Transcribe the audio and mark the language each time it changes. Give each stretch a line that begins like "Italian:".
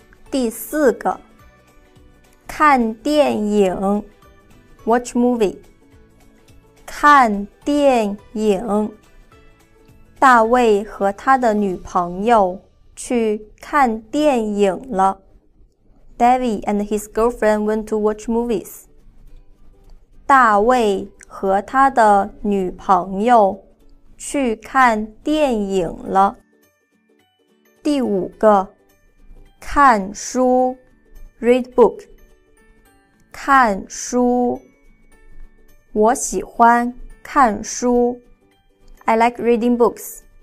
Chinese: 第四个，看电影，
English: watch movie。
Chinese: 看电影，大卫和他的女朋友去看电影了。
English: David and his girlfriend went to watch movies。
Chinese: 大卫和他的女朋友去看电影了。第五个。看书，
English: read book。
Chinese: 看书，我喜欢看书，
English: I like reading books。